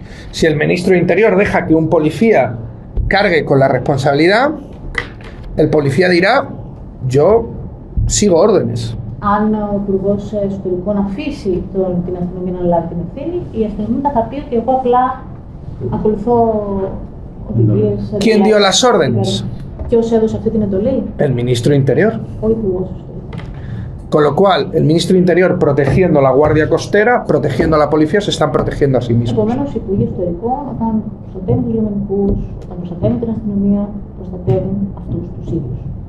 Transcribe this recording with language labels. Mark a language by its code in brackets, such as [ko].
[es] Si el ministro de Interior deja que un policía cargue con la responsabilidad, el policía dirá, yo sigo órdenes. [el] Αν ο Υπουργός Εσωτερικών αφήσει την αστυνομία να λάβει την ευθύνη, η αστυνομία θα πει ότι εγώ απλά ακολουθώ οδηγίες. Ποιον δύο [es] las órdenes. [el] Ποιος έδωσε αυτή την εντολή. [es] El ministro interior. [el] Ο Υπουργός [es] Con lo cual, el ministro interior protegiendo la Guardia Costera, protegiendo a la policía, se están protegiendo a sí mismos. [el] Επομένως, οι Υπουργοί Εσωτερικών, όταν προστατεύουν τους λιμενικούς, όταν προστατεύουν την αστυνομία, προστατεύουν αυτούς τους ίδιους.